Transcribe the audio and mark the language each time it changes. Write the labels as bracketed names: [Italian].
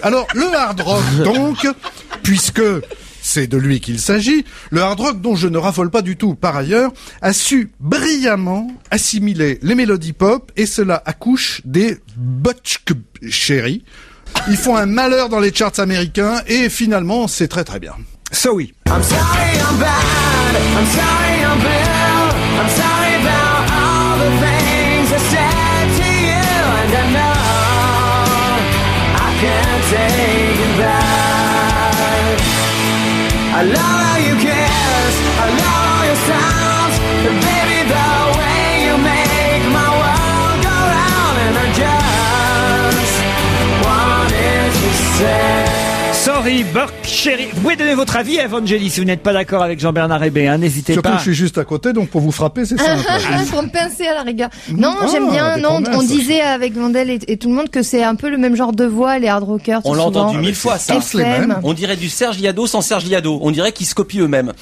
[French] Alors, le hard rock, donc, puisque c'est de lui qu'il s'agit, le hard rock, dont je ne raffole pas du tout par ailleurs, a su brillamment assimiler les mélodies pop, et cela accouche des Butch Cherry. Ils font un malheur dans les charts américains, et finalement, c'est très très bien. [English] So oui. I'm sorry I'm bad. I'm sorry I'm Bill. I'm sorry about all the things I said to you. And I know I can't take it back. I love how you kiss. I love all your sounds. And baby, the way you make my world go round. And I just wanted to say Sorry, Buck Cherry. [French] Vous pouvez donner votre avis, Evangélie, si vous n'êtes pas d'accord avec Jean-Bernard Hébé, hein, n'hésitez surtout pas. Surtout, je suis juste à côté, donc pour vous frapper, c'est ça. Pour me pincer à la rigueur. Non, j'aime bien. Non, on disait avec Vandel et tout le monde que c'est un peu le même genre de voix, les hard rockers. On l'a entendu mille fois, ça. Tous les mêmes. On dirait du Serge Liado sans Serge Liado. On dirait qu'ils se copient eux-mêmes.